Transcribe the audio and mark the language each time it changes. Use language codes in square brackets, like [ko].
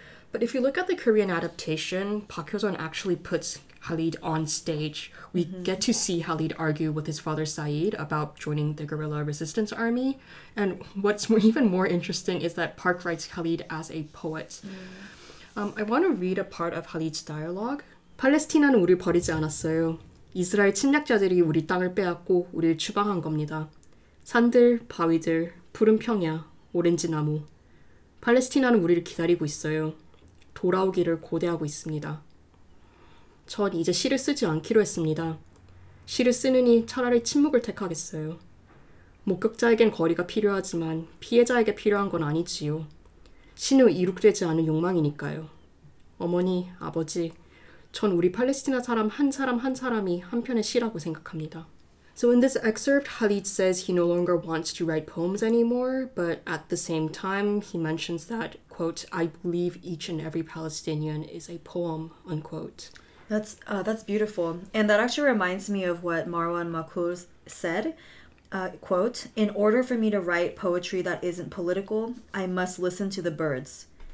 [en] But if you look at the Korean adaptation, Park Hyo-sun actually puts Khalid on stage. We mm-hmm. get to see Khalid argue with his father Said about joining the guerrilla resistance army. And what's even more interesting is that Park writes Khalid as a poet. Mm. I want to read a part of Khalid's dialogue. [ko] 팔레스티나는 우리를 버리지 않았어요. 이스라엘 침략자들이 우리 땅을 빼앗고 우리를 추방한 겁니다. 산들, 바위들, 푸른 평야, 오렌지 나무. 팔레스티나는 우리를 기다리고 있어요. 돌아오기를 고대하고 있습니다. 전 이제 시를 쓰지 않기로 했습니다. 시를 쓰느니 차라리 침묵을 택하겠어요. 목격자에겐 거리가 필요하지만 피해자에게 필요한 건 아니지요. 신후 이룩되지 않은 욕망이니까요. 어머니, 아버지, 전 우리 팔레스티나 사람 한 사람 한 사람이 한편의 시라고 생각합니다. [en] So in this excerpt, Khalid says he no longer wants to write poems anymore, but at the same time, he mentions that, quote, "I believe each and every Palestinian is a poem," unquote. That's beautiful. And that actually reminds me of what Marwan Makhul said, quote, "In order for me to write poetry that isn't political, I must listen to the birds.